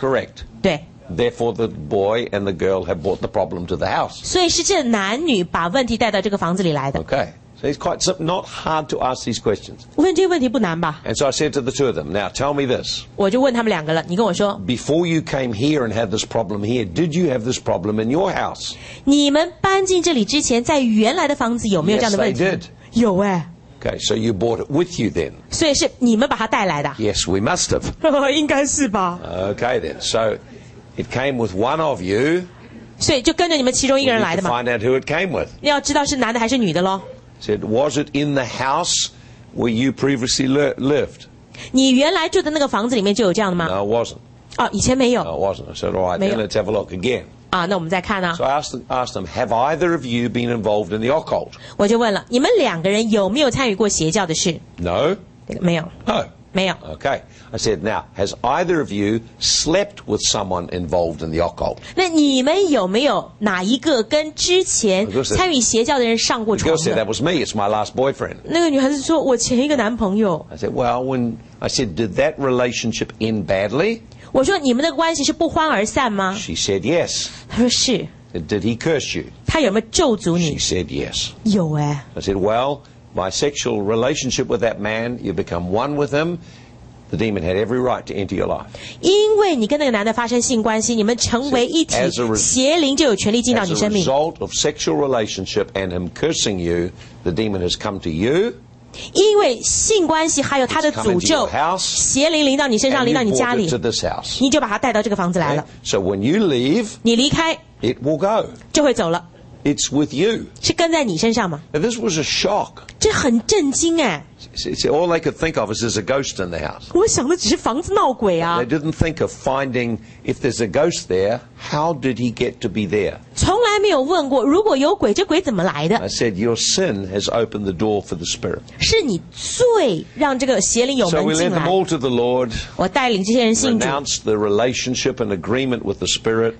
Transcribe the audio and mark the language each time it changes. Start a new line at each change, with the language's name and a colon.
English: Correct.
Chinese: 对。
English: Therefore, the boy and the girl have brought the problem to the house.
Chinese: 所以是这男女把问题带到这个房子里来的。
English: Okay. So it's quite not hard to ask these questions.
Chinese: 问这个问题不难吧
English: ？And so I said to the two of them, "Now tell me this."
Chinese: 我就问他们两个了。你跟我说。
English: Before you came here and had this problem here, did you have this problem in your house?
Chinese: 你们搬进这里之前，在原来的房子有没有这样的问题
English: ？Yes, they did.
Chinese: 有哎。
English: Okay, so you brought it with you then.
Chinese: 所以是你们把它带来的。
English: Yes, we must have.
Chinese: 应该是吧。
English: Okay then, so it came with one of you.
Chinese: 所以就跟着你们其中一个人来的嘛。
English: Find out who it came with.
Chinese: 要知道是男的还是女的咯。
English: Said, was it in the house where you previously lived?
Chinese: 你原来住的那个房子里面就有这样的吗
English: ？No, it wasn't.
Chinese: 哦，以前没有。
English: No, it wasn't. I said, all right, then let's have a look again.
Chinese: 啊，那我们再看啊。
English: So I asked them, have either of you been involved in the occult?
Chinese: 我就问了，你们两个人有没有参与过邪教的事
English: ？No,
Chinese: 没有。
English: No,
Chinese: 没有。
English: Okay, I said, now has either of you slept with someone involved in the occult?
Chinese: 那你们有没有哪一个跟之前参与邪教的人上过床
English: ？The girl said, that was me. It's my last boyfriend.
Chinese: 那个女孩子说，我前一个男朋友。
English: I said, well, when I said, did that relationship end badly?
Chinese: 我说你们的关系是不欢而散吗
English: ？She said yes.
Chinese: 她说是。
English: Did he curse you?
Chinese: 他有没有咒诅你
English: ？She said yes.
Chinese: 有哎。
English: I said, well, my sexual relationship with that man, you become one with him. The demon had every right to enter your life.
Chinese: 因为你跟那个男的发生性关系，你们成为一体，邪灵就有权利进到你生命。
English: As a result of sexual relationship and him cursing you, the demon has come to you.
Chinese: 因为性关系还有他的诅咒
English: house,
Chinese: 邪灵临到你身上临到你家里
English: house,
Chinese: 你就把他带到这个房子来了
English: okay, so when you leave,
Chinese: 你离开
English: it will go.
Chinese: 就会走了
English: it's with you.
Chinese: 是跟在你身上吗
English: Now, this was a shock.
Chinese: 这很震惊哎
English: All they could think of is there's a ghost in the house.
Chinese: 我想的只是房子闹鬼啊
English: They didn't think of finding if there's a ghost there, how did he get to be there?
Chinese: 从来没有问过，如果有鬼，这鬼怎么来的
English: ？I said your sin has opened the door for the spirit.
Chinese: 是你罪让这个邪灵有门进来。
English: So we led them all to the Lord.
Chinese: 我带领这些人信主。
English: Renounced the relationship and agreement with the spirit.